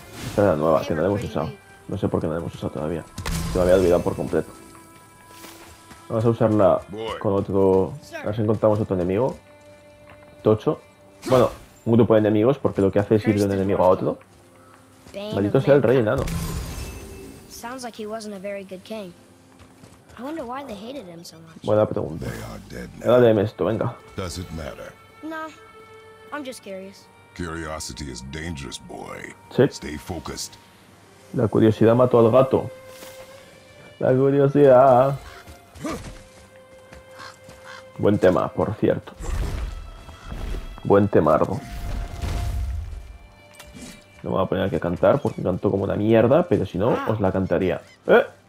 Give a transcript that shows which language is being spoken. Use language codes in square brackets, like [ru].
[es] Esta es la nueva, que no la hemos usado. No sé por qué no la hemos usado todavía. Se me había olvidado por completo. Vamos a usarla con otro. A ver si encontramos otro enemigo. Tocho. Bueno, un grupo de enemigos, porque lo que hace es ir de un enemigo a otro. Maldito sea el rey enano. [en] Sounds like he wasn't a very good king. I wonder why they hated him so much. [es] Buena pregunta. Ahora déme esto, venga. [en] Does it matter? Nah, I'm just curious. Curiosity is dangerous, boy. [es] ¿Sí? [en] Stay focused. [es] La curiosidad mató al gato. La curiosidad. Buen tema, por cierto. Buen temardo. No me voy a poner aquí a cantar porque canto como una mierda, pero si no, os la cantaría. ¡Eh!